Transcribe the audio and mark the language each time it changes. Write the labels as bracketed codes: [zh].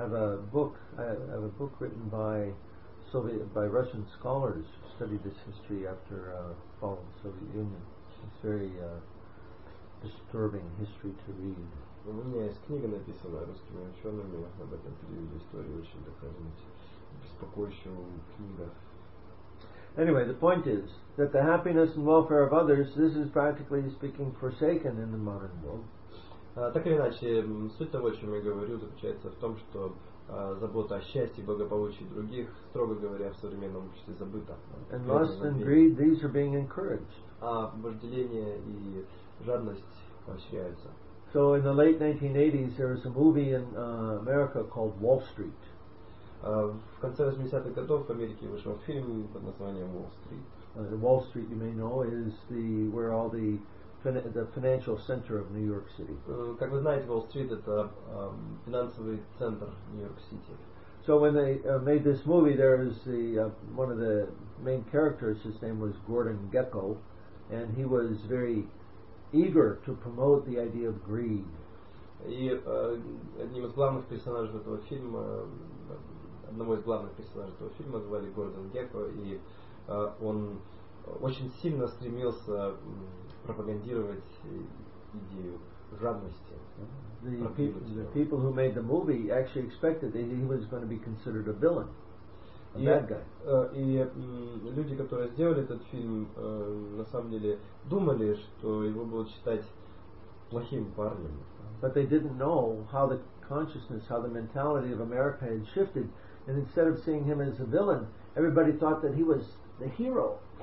[en] I have a book written by Russian scholars who studied this history after fall of the Soviet Union. It's very disturbing history to read. [ru] У меня есть книга, написанная русскими учеными об этом периоде истории, очень такая беспокоящая книга. [en] Anyway, the point is that the happiness and welfare of others, this is practically speaking forsaken in the modern world. [ru] Так или иначе, суть того, о чем я говорю, заключается в том, что забота о счастье и благополучии других, строго говоря, в современном обществе забыта. [en] And lust and greed, these are being encouraged. [ru] А вожделение и жадность поощряются. [en] So in the late 1980s, there was a movie in America called Wall Street. [ru] В конце 80-х годов в Америке вышел фильм под названием Wall Street. [en] The Wall Street, you may know, is where all the financial center of New York City. [ru] Как вы знаете, Wall Street — это финансовый центр Нью-Йорк-Сити. [en] So when they made this movie, there is one of the main characters, his name was Gordon Gekko, and he was very eager to promote the idea of greed. [ru] И одним из главных персонажей этого фильма, одного из главных персонажей этого фильма звали Гордон Гекко, и он очень сильно стремился пропагандировать идею жадности. [en] The people who made the movie actually expected that he was going to be considered a villain, a bad guy. [ru] И люди, которые сделали этот фильм, на самом деле думали, что его будут считать плохим парнем. [en] But they didn't know how the consciousness, how the mentality of America had shifted, and instead of seeing him as a villain, everybody thought that he was the hero.